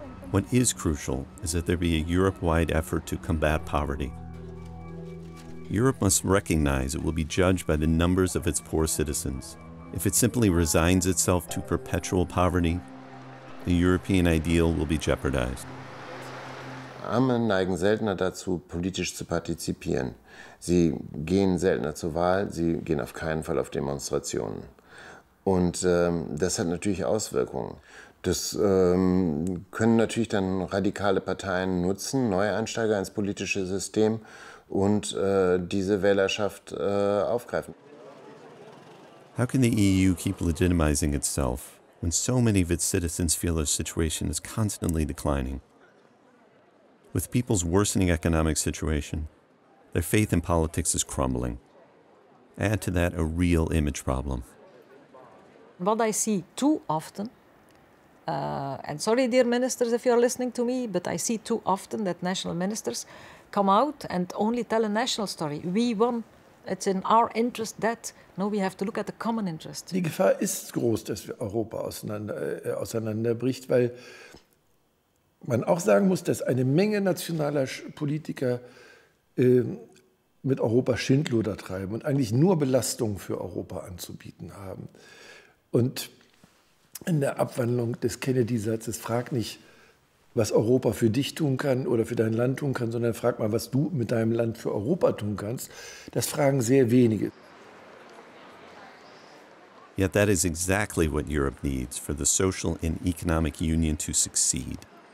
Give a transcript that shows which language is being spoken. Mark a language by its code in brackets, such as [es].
[en] What is crucial is that there be a Europe-wide effort to combat poverty. Europe must recognize it will be judged by the numbers of its poor citizens. If it simply resigns itself to perpetual poverty, the European ideal will be jeopardized. [de] Arme neigen seltener dazu, politisch zu partizipieren. Sie gehen seltener zur Wahl, sie gehen auf keinen Fall auf Demonstrationen. Und das hat natürlich Auswirkungen. Das können natürlich dann radikale Parteien nutzen, Neueinsteiger ins politische System und diese Wählerschaft aufgreifen. [en] How can the EU keep legitimizing itself when so many of its citizens feel their situation is constantly declining? With people's worsening economic situation, their faith in politics is crumbling. Add to that a real image problem. What I see too often, and sorry, dear ministers, if you're listening to me, but I see too often that national ministers come out and only tell a national story. We won. It's in our interest that, no, we have to look at the common interest. [de] Die Gefahr ist groß, dass Europa auseinanderbricht, weil man auch sagen muss, dass eine Menge nationaler Politiker mit Europa Schindluder treiben und eigentlich nur Belastungen für Europa anzubieten haben. Und in der Abwandlung des Kennedy-Satzes, frag nicht, was Europa für dich tun kann oder für dein Land tun kann, sondern frag mal, was du mit deinem Land für Europa tun kannst. Das fragen sehr wenige. [en] Yet that is exactly what Europe needs for the social and economic union to succeed.